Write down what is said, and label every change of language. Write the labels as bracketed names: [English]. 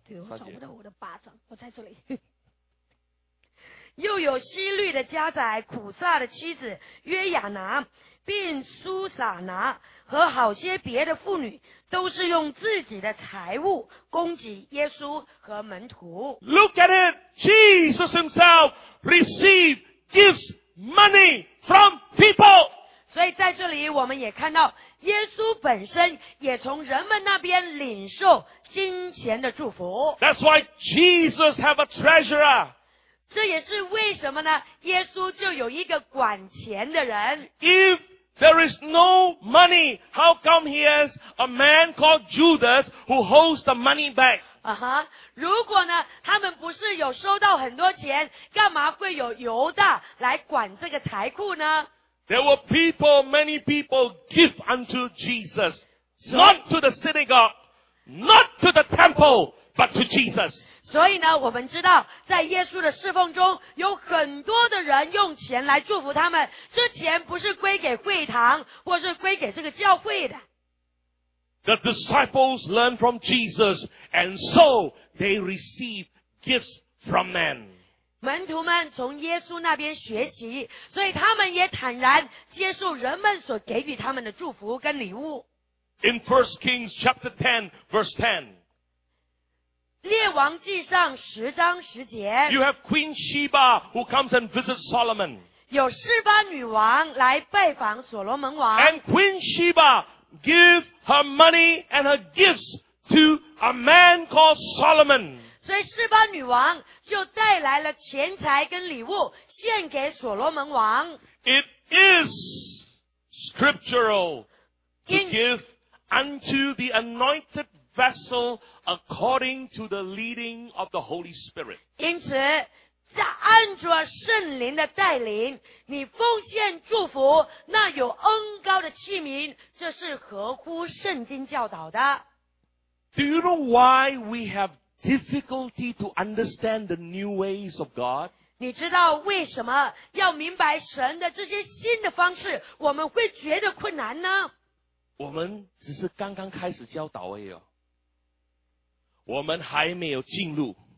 [Chinese] 对，我找不到我的八章，我在这里。又有西律的家宰苦萨的妻子约雅拿，并苏撒拿和好些别的妇女，都是用自己的财物供给耶稣和门徒。 [English] Look at it, Jesus Himself received gives money from people. [Chinese] 所以在这里我们也看到。耶稣本身也从人们那边领受金钱的祝福。 [English] That's why Jesus have a treasurer. [Chinese] 这也是为什么呢？耶稣就有一个管钱的人。 [English] If there is no money, how come he has a man called Judas who holds the money back? [Chinese] 啊哈，如果呢，他们不是有收到很多钱，干嘛会有犹大来管这个财库呢？ [English] There were people, many people give unto Jesus. Not to the synagogue, not to the temple, but to Jesus. [Chinese] 所以呢，我们知道，在耶稣的侍奉中，有很多的人用钱来祝福他们。这钱不是归给会堂，或是归给这个教会的。 [English] The disciples learned from Jesus, and so they received gifts from men. [Chinese] 门徒们从耶稣那边学习，所以他们也坦然接受人们所给予他们的祝福跟礼物。 [English] In 1 Kings chapter 10, verse 10. [Chinese] 列王记上十章十节。 [English] You have Queen Sheba who comes and visits Solomon. [Chinese] 有示巴女王来拜访所罗门王。 [English] And Queen Sheba gives her money and her gifts to a man called Solomon. [Chinese] 所以示巴女王就带来了钱财跟礼物献给所罗门王。 [English] It is scriptural to give unto the anointed vessel according to the leading of the Holy Spirit. [Chinese] 因此在按着圣灵的带领你奉献祝福那有恩膏的器皿这是合乎圣经教导的。 [English] Do you know why we have difficulty to understand the new ways of God? [Chinese] 你知道为什么要明白神的这些新的方式我们会觉得困难呢？我们只是刚刚开始教导而已哦。我们还没有进入。